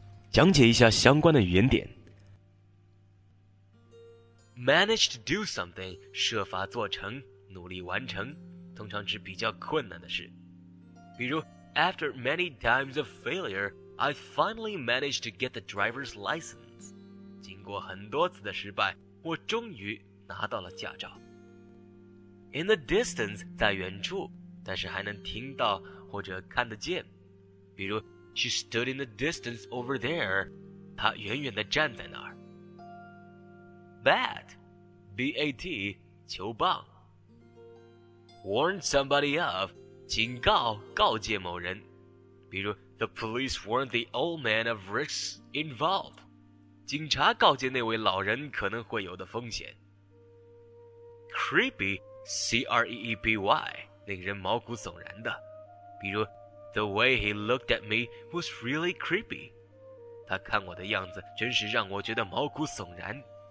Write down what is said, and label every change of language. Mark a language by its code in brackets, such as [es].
[zh] 讲解一下相关的语言点。 [en] Manage to do something, [zh] 设法做成，努力完成，通常指比较困难的事。比如 [en] ,After many times of failure, I finally managed to get the driver's license. [zh] 经过很多次的失败，我终于拿到了驾照。 [en] In the distance, [zh] 在远处，但是还能听到或者看得见。比如 [en] She stood in the distance over there. [zh] 她远远地站在那儿。 [en] Bat, bat, 球棒。 Warn somebody of, [zh] 警告告诫某人。比如 [en] the police warned the old man of risks involved, [zh] 警察告诫那位老人可能会有的风险。 Creepy, C-R-E-E-B-Y, 令人毛骨悚然的。比如 [en] the way he looked at me was really creepy, [zh] 他看我的样子真是让我觉得毛骨悚然。